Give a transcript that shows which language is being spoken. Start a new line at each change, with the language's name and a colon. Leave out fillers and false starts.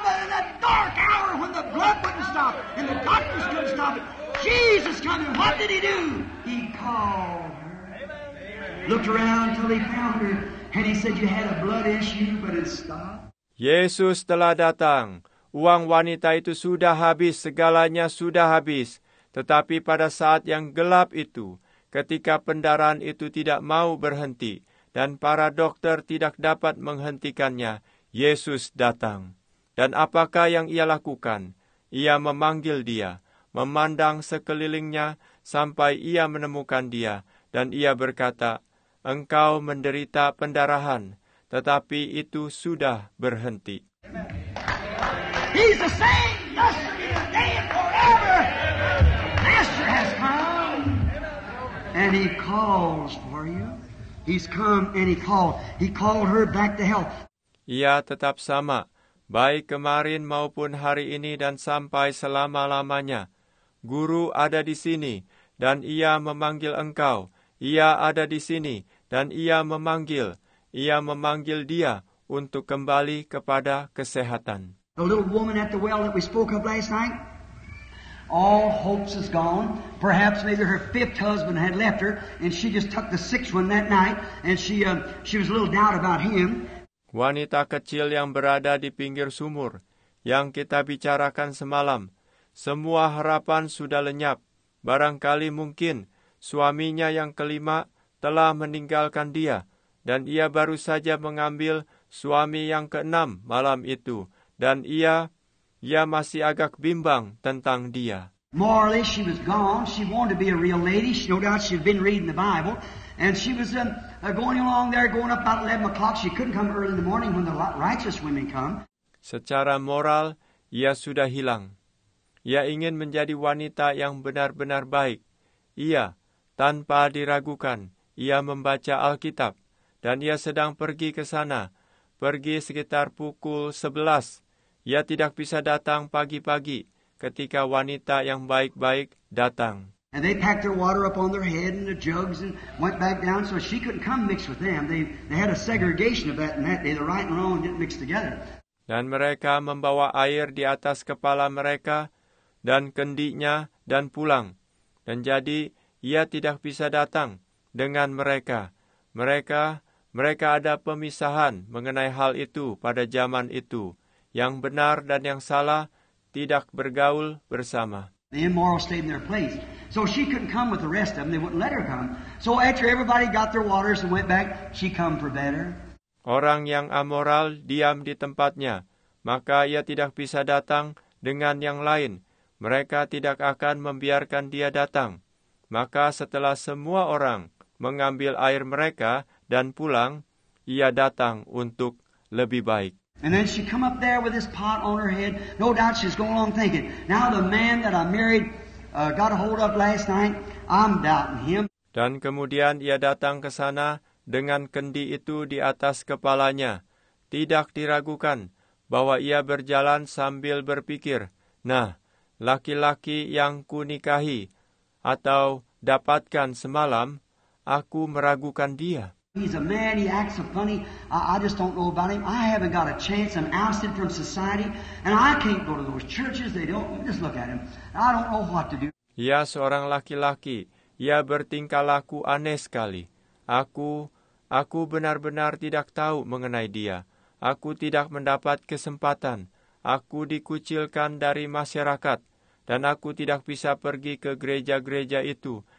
English: But in that dark hour when the blood wouldn't stop and the doctors couldn't stop it. Jesus coming. What did he do? He called. Looked around till he found her, and he said, "You had a blood issue, but it stopped."
Indonesian: Yesus telah datang. Uang wanita itu sudah habis, segalanya sudah habis. Tetapi pada saat yang gelap itu, ketika pendarahan itu tidak mau berhenti dan para dokter tidak dapat menghentikannya, Yesus datang. Dan apakah yang ia lakukan? Ia memanggil dia, memandang sekelilingnya sampai ia menemukan dia, dan ia berkata, engkau menderita pendarahan, tetapi itu sudah berhenti.
English: He's the same yesterday, today, and forever. Master has come, and he calls for you. He's come, and he called. He called her back to health.
Indonesian: Ia tetap sama, baik kemarin maupun hari ini dan sampai selama-lamanya. Guru ada di sini, dan ia memanggil engkau. Ia ada di sini. Dan ia memanggil dia untuk kembali kepada kesehatan.
English: The little woman at the well that we spoke of last night, all hopes is gone. Perhaps maybe her fifth husband had left her, and she just took the sixth one that night, and she was a little doubt about him.
Indonesian: Wanita kecil yang berada di pinggir sumur, yang kita bicarakan semalam, semua harapan sudah lenyap. Barangkali mungkin suaminya yang kelima telah meninggalkan dia, dan ia baru saja mengambil suami yang keenam malam itu, dan ia masih agak bimbang tentang dia.
English: Morally, she was gone. She wanted to be a real lady. No doubt she'd been reading the Bible, and she was going along there, going up about 11 o'clock. She couldn't come early in the morning when the righteous women come.
Indonesian: Secara moral, ia sudah hilang. Ia ingin menjadi wanita yang benar-benar baik. Ia, tanpa diragukan, ia membaca Alkitab, dan ia sedang pergi ke sana, pergi sekitar pukul 11. Ia tidak bisa datang pagi-pagi ketika wanita yang baik-baik datang.
English: And they packed their water up on their head and the jugs and went back down so she couldn't come mix with them. They had a segregation of that and that day. The right and wrong didn't mix together.
Indonesian: Dan mereka membawa air di atas kepala mereka dan kendinya dan pulang. Dan jadi ia tidak bisa datang dengan mereka. Mereka ada pemisahan mengenai hal itu pada zaman itu. Yang benar dan yang salah tidak bergaul bersama.
English: The immoral stayed in their place. So she couldn't come with the rest of them. They wouldn't let her come. So after everybody got their waters and went back, she come for better.
Indonesian: Orang yang amoral diam di tempatnya. Maka ia tidak bisa datang dengan yang lain. Mereka tidak akan membiarkan dia datang. Maka setelah semua orang mengambil air mereka dan pulang, ia datang untuk lebih baik.
English: And then she come up there with this pot on her head. No doubt she's going along thinking, now the man that I married got a hold of last night, I'm doubting him.
Indonesian: Dan kemudian ia datang ke sana dengan kendi itu di atas kepalanya. Tidak diragukan bahwa ia berjalan sambil berpikir, nah, laki-laki yang kunikahi atau dapatkan semalam, aku meragukan dia.
English: He's a man, he acts so funny, I just don't know about him. I haven't got a chance, I'm ousted from society, and I can't go to those churches, they don't, just look at him. I don't know what to do.
Indonesian: Ia seorang laki-laki, ia bertingkah laku aneh sekali. Aku benar-benar tidak tahu mengenai dia. Aku tidak mendapat kesempatan. Aku dikucilkan dari masyarakat, dan aku tidak bisa pergi ke gereja-gereja itu.